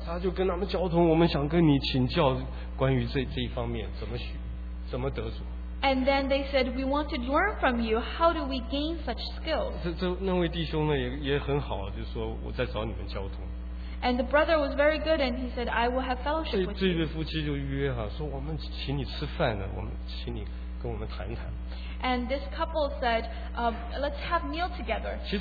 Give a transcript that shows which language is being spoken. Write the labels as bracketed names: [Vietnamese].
[Chinese] 他就跟他们交通，我们想跟你请教关于这一方面怎么得主。 [English] And then they said, we want to learn from you, how do we gain such skills? [Chinese] 那位弟兄呢，也很好，就说我在找你们交通。 [English] And the brother was very good, and he said, I will have fellowship with you. [Chinese] 这对夫妻就约，说我们请你吃饭呢，我们请你跟我们谈谈。 [English] And this couple said, let's have meal together.